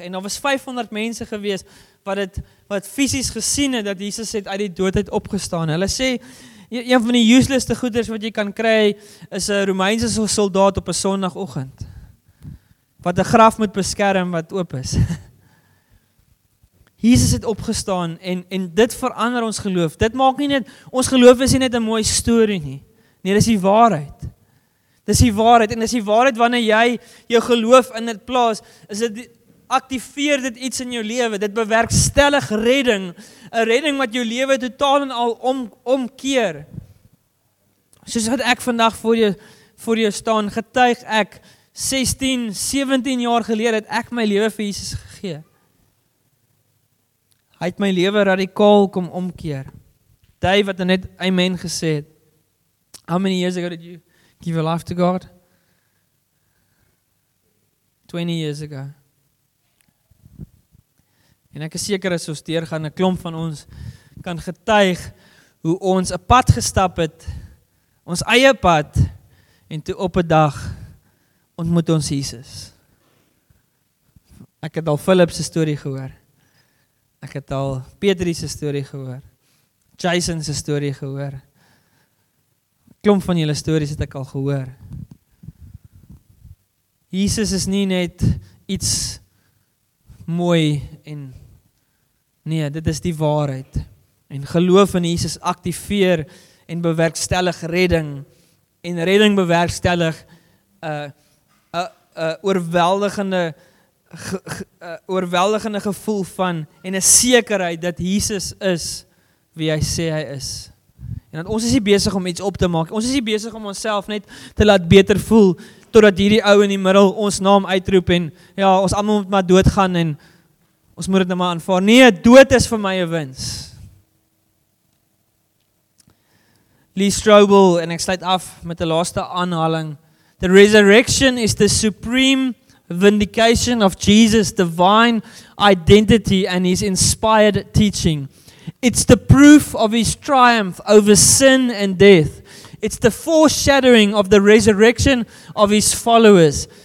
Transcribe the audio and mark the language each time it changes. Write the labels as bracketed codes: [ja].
[af] En daar was 500 mense gewees wat fisies gesien het dat Jesus het uit die dood uit opgestaan. Hulle sê, een van die useless goeders wat jy kan kry, is 'n Romeinse soldaat op 'n sonoggend. Wat 'n graf moet beskerm wat oop is. Jesus het opgestaan en dit verander ons geloof. Dit maak nie net, ons geloof is nie net 'n mooi story nie. Nee, dis die waarheid. Dis die waarheid en dis die waarheid wanneer jy jou geloof in dit plaas, is dit, activeer dit iets in jou lewe. Dit bewerkstellig redding, 'n redding wat jou lewe totaal en al omkeer. Soos wat ek vandag voor jou staan, getuig ek 16, 17 jaar gelede het ek my lewe vir Jesus gegee. Hy het my lewe radikaal kom omkeer. Die wat net amen gesê het. [en] How many years ago did you give your life to God? 20 years ago. [af] En ek is seker as ons deurgaan, 'n klomp van ons kan getuig hoe ons 'n pad gestap het, ons eie pad, en toe op 'n dag ontmoet ons Jesus. Ek het al Philip se storie gehoor. Ek het al Petrie se storie gehoor. Jason se storie gehoor. Klomp van julle stories het ek al gehoor. Jesus is nie net iets mooi en nee, dit is die waarheid. En geloof in Jesus aktiveer en bewerkstellig redding. En redding bewerkstellig 'n oorweldigende gevoel van en 'n sekerheid dat Jesus is wie hy sê hy is. En dat ons is nie besig om iets op te maak. Ons is nie besig om onsself net te laat beter voel totdat hierdie ou in die middel ons naam uitroep en ja, ons almal moet maar doodgaan en ons moet dit nou maar aanvaar. Nee, dood is vir my 'n wins. Lee Strobel, en ek sluit af met 'n laaste aanhaling. [en] The resurrection is the supreme vindication of Jesus' divine identity and his inspired teaching. It's the proof of his triumph over sin and death. It's the foreshadowing of the resurrection of his followers.